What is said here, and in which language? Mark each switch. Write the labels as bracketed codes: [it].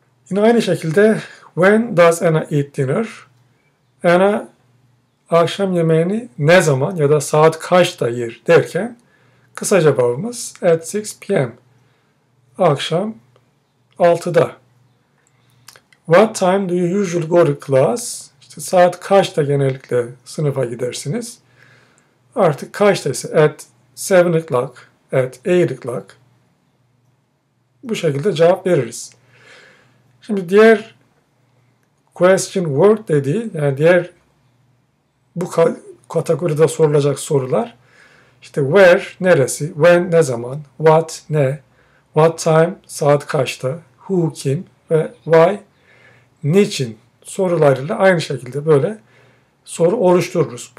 [tr] Yine aynı şekilde [en] when does Anna eat dinner? [tr] Anna akşam yemeğini ne zaman ya da saat kaçta yer derken kısa cevabımız [en] at 6 p.m. [tr] akşam 6'da. [en] What time do you usually go to class? [tr] İşte saat kaçta genellikle sınıfa gidersiniz? Artık kaçta ise [en] at 7 o'clock, at 8 o'clock [tr] bu şekilde cevap veririz. Şimdi diğer question word dediği, yani diğer bu kategoride sorulacak sorular, işte where, neresi, when, ne zaman, what, ne, what time, saat kaçta, who, kim ve why, niçin sorularıyla aynı şekilde böyle soru oluştururuz.